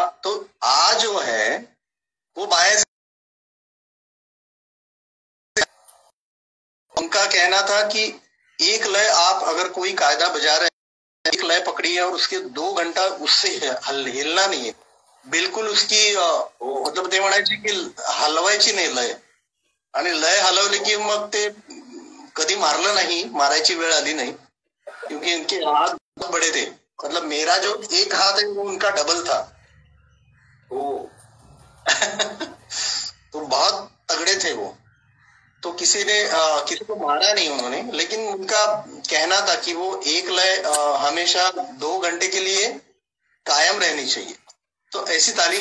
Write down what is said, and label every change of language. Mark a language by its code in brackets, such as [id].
[hi] तो आ जो है वो बाया से, उनका कहना था कि एक लय आप अगर कोई कायदा बजा रहे हैं, एक लय पकड़ी है और उसके 2 घंटा उससे हिलना नहीं है, बिल्कुल उसकी मतलब ओ [mr] ते म्हणायचे कि हलवायची नाही लय, आणि लय हलवली की मग ते कधी मारलं नाही, मारायची वेळ आली नाही, [hi] क्योंकि इनके हाथ बड़े थे, मतलब मेरा जो एक हाथ है वो उनका डबल था ओ तो बहुत तगड़े थे वो, तो किसी ने किसी को मारा नहीं उन्होंने, लेकिन उनका कहना था कि वो एक लय हमेशा 2 घंटे के लिए कायम रहनी चाहिए, तो ऐसी तालीम